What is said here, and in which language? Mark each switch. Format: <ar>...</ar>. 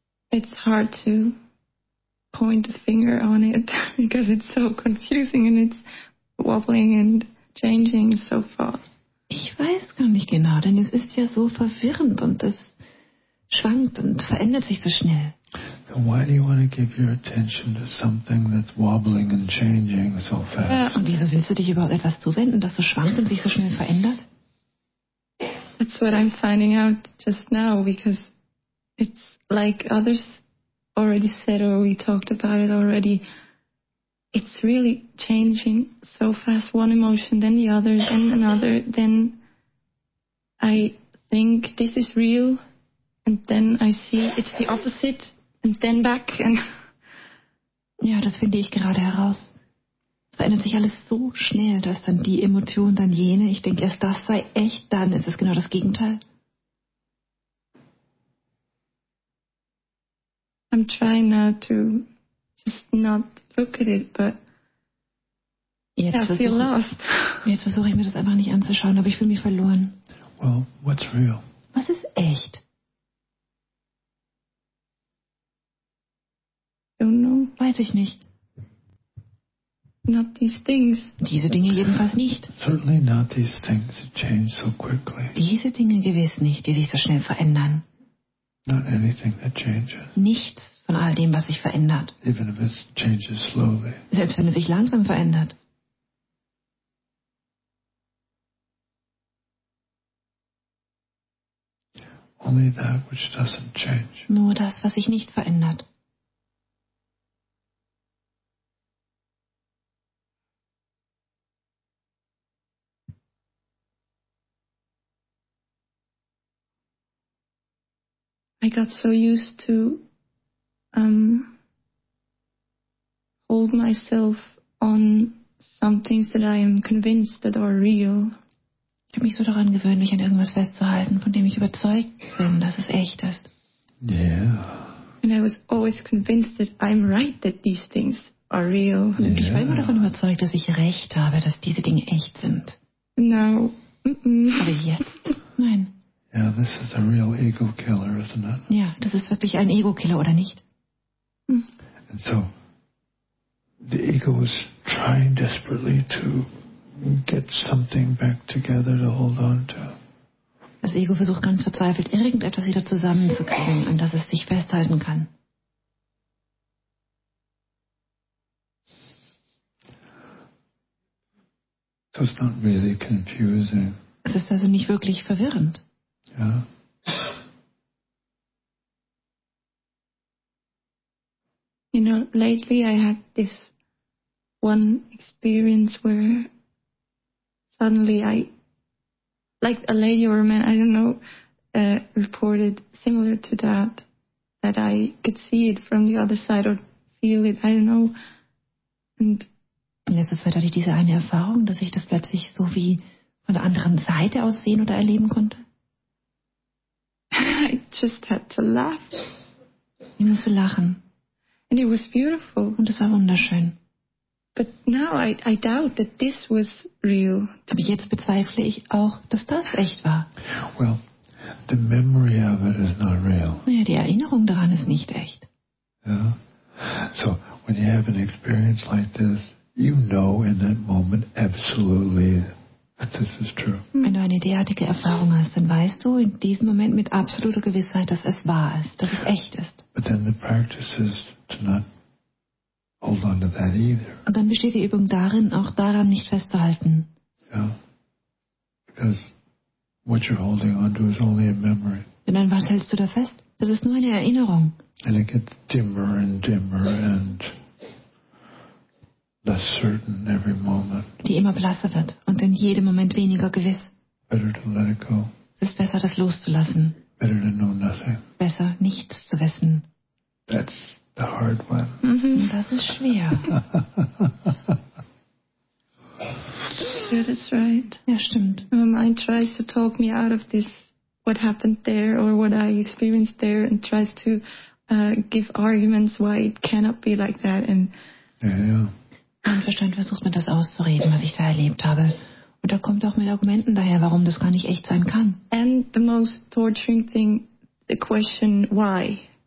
<en>It's hard to point a finger on it because it's so confusing and it's wobbling and changing so fast.</en> <de>Ich weiß gar nicht genau, denn es ist ja so verwirrend und es schwankt und verändert sich so schnell.</de> <en>Then why do you want to give your attention to something that's wobbling and changing so fast?</en> <de>Und wieso willst du dich überhaupt etwas zuwenden, das so schwankt und sich so schnell verändert?</de> <en>That's what I'm finding out just now, because it's like others already said or we talked about it already. It's really changing so fast, one emotion, then the other, then another, then I think this is real, and then I see it's the opposite. And then back and</en> <de>ja, das finde ich gerade heraus. Es verändert sich alles so schnell, dass dann die Emotion, dann jene, ich denke erst das sei echt, dann ist es genau das Gegenteil.</de> <en>I'm trying now to just not look at it, but</en> <de>jetzt versuche ich mir das einfach nicht anzuschauen, aber ich fühle mich verloren.</de> <en>Well, what's real?</en> <de>Was ist echt? Weiß ich nicht.</de> <en>Not these things.</en> <de>Diese Dinge jedenfalls nicht.</de> <en>Certainly not these things that change so quickly.</en> <de>Diese Dinge gewiss nicht, die sich so schnell verändern.</de> <en>Not anything that changes.</en> <de>Nichts von all dem, was sich verändert.</de> <en>Even if it changes slowly.</en> <de>Selbst wenn es sich langsam verändert.</de> <en>Only that which doesn't change.</en> <de>Nur das, was sich nicht verändert.</de> <en>I got so used to hold myself on some things that I am convinced that are real.</en> <de>Ich habe mich so daran gewöhnt, mich an irgendwas festzuhalten, von dem ich überzeugt bin, dass es echt ist.</de> <en>Yeah. And I was always convinced that I'm right, that these things are real.</en> <de>Und ich war immer davon überzeugt, dass ich recht habe, dass diese Dinge echt sind.</de> <en>No.</en> <de>Aber jetzt? Nein.</de> <en>Yeah, this is a real ego killer, isn't it?</en> <de>Ja, das ist wirklich ein Ego-Killer, oder nicht?</de> <en>And so, the ego is trying desperately to get something back together to hold on to.</en> <de>Das Ego versucht ganz verzweifelt, irgendetwas wieder zusammenzukriegen, an das es sich festhalten kann.</de> <en>So it's not really confusing.</en> <de>Es ist also nicht wirklich verwirrend. Ja.</de> <en>You know, lately I had this one experience where suddenly I, like a lady or a man, I don't know, reported similar to that, that I could see it from the other side or feel it, I don't know. And</en> <de>in letzter Zeit hatte ich diese eine Erfahrung, dass ich das plötzlich so wie von der anderen Seite aus sehen oder erleben konnte.</de> <en>I just had to laugh.</en> <de>Ich musste lachen.</de> <en>And it was beautiful.</en> <de>Und es war wunderschön.</de> <en>But now I doubt that this was real.</en> <de>Aber jetzt bezweifle ich auch, dass das echt war.</de> <en>Well, the memory of it is not real.</en> <de>Naja, die Erinnerung daran ist nicht echt.</de> <en>Yeah. So, when you have an experience like this, you know in that moment absolutely that this is true.</en> <de>Wenn du eine derartige Erfahrung hast, dann weißt du in diesem Moment mit absoluter Gewissheit, dass es wahr ist, dass es echt ist.</de> <en>But then the practice is to not hold on to that either.</en> <de>Und dann besteht die Übung darin, auch daran nicht festzuhalten.</de> <en>Yeah. Because what you're holding on to is only a memory.</en> <de>Denn an was hältst du da fest? Das ist nur eine Erinnerung.</de> <en>And it gets dimmer and dimmer and less certain every moment.</en> <de>Die immer blasser wird und in jedem Moment weniger gewiss.</de> <en>Better to let it go.</en> <de>Es ist besser, das loszulassen.</de> <en>Better to know nothing.</en> <de>Besser, nichts zu wissen.</de> <en>That's the hard one. Mm-hmm.</en> <de>Das ist schwer.</de> <en>Yeah, that's right.</en> <de>Ja, stimmt.</de> <en>My mind tries to talk me out of this, what happened there or what I experienced there, and tries to give arguments why it cannot be like that. And</en> <de>mein Verstand versucht mir das auszureden, was ich da erlebt habe. Und da kommt auch mit Argumenten daher, warum das gar nicht echt sein kann.</de> <en>And the most torturing thing, the question why.</en>